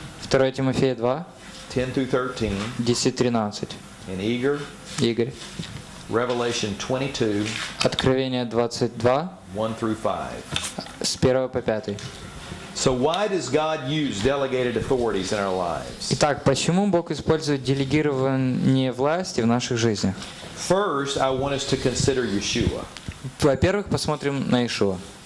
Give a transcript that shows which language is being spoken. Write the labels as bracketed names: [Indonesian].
[Russian] 2 Тимофея 2. 10-13. 10-13. [English] And Igor. [Russian] Игорь. [English] Revelation 22. [Russian] Откровение 22. [English] 1-5. [Russian] С 1 по 5. [English] So why does God use delegated authorities in our lives? [Russian] Итак, почему Бог использует делегирование власти в наших жизнях? [English] First, I want us to consider Yeshua. [Russian] Во-первых, посмотрим на Иешуа.